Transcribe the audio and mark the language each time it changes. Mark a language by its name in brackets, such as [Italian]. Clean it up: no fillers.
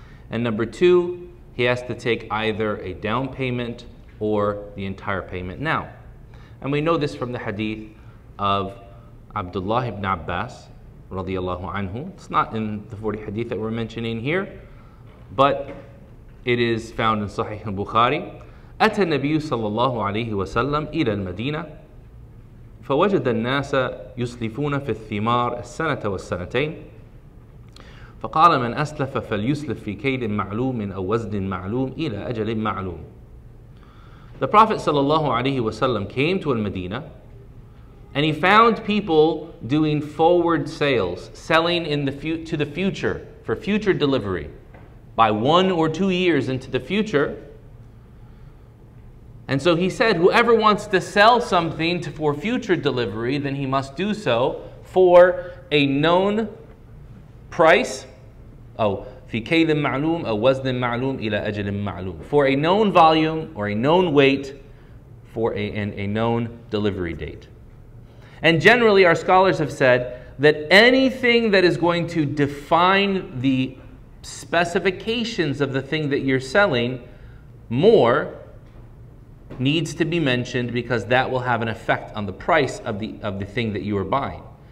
[English] And number two, he has to take either a down payment or the entire payment now. And we know this from the hadith of Abdullah ibn Abbas, radiallahu anhu. It's not in the 40 hadith that we're mentioning here, but it is found in Sahih al-Bukhari. [Arabic] أَتَى النَّبِيُّ صَلَّى اللَّهُ وَسَلَّمْ إِلَى الْمَدِينَةِ فَوَجَدَ النَّاسَ يُسْلِفُونَ فِي الثِّمَارِ السَّنَةَ وَالسَّنَتَيْنِ فَقَالَ مَنْ أَسْلَفَ فَلْيُسْلِفْ فِي كَيْدٍ مَعْلُومٍ أَوْ وَزْدٍ مَعْلُومٍ إِلَى أَجَلٍ مَعْلُومٍ. [English] The Prophet ﷺ came to Al-Madinah And he found people doing forward sales, selling in the to the future, for future delivery, by 1 or 2 years into the future. And so he said, whoever wants to sell something for future delivery, then he must do so for a known price. [Arabic] Oh, في كيل معلوم أو وزن معلوم إلى أجل معلوم. [English] For a known volume or a known weight for a known delivery date. And generally, our scholars have said that anything that is going to define the specifications of the thing that you're selling more needs to be mentioned, because that will have an effect on the price of the thing that you are buying.